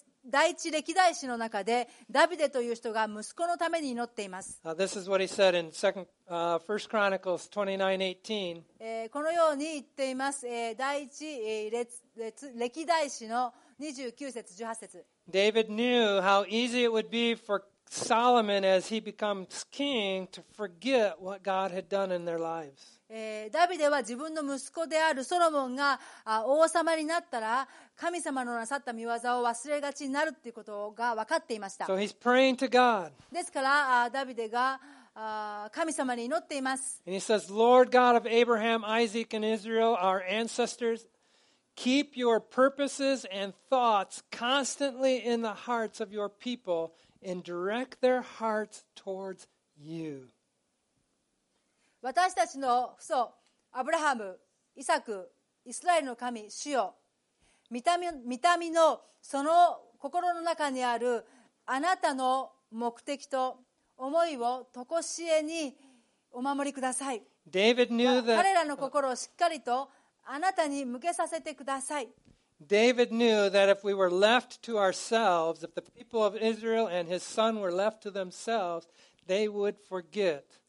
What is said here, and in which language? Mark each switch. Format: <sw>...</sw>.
<ja>第一歴代史の中でダビデという人が息子のために祈っています。</ja> <en>This is what he said in 1 Chronicles 29:18.</en> <ja>このように言っています。第一歴代史の29節18節。</ja> <en>David knew how easy it would be for Solomon as he becomes king to forget what God had done in their lives.</en> <ja>ダビデは自分の息子であるソロモンが王様になったら神様のなさった御業を忘れがちになるということが分かっていました。</ja> <en>So、he's praying to God.</en> <ja>ですからダビデが神様に祈っています。</ja> <en>And he says, Lord God of Abraham, Isaac and Israel, our ancestors, keep your purposes and thoughts constantly in the hearts of your people and direct their hearts towards you.</en> <ja>私たちの父祖アブラハム、イサク、イスラエルの神主よ、御民のその心の中にあるあなたの目的と思いをとこしえにお守りください。</ja> <en>David knew that,</en> <ja>彼らの心をしっかりとあなたに向けさせてください。</ja> <en>David knew that if we were left to ourselves, if the people of Israel and his son were left to themselves, they would forget.</en>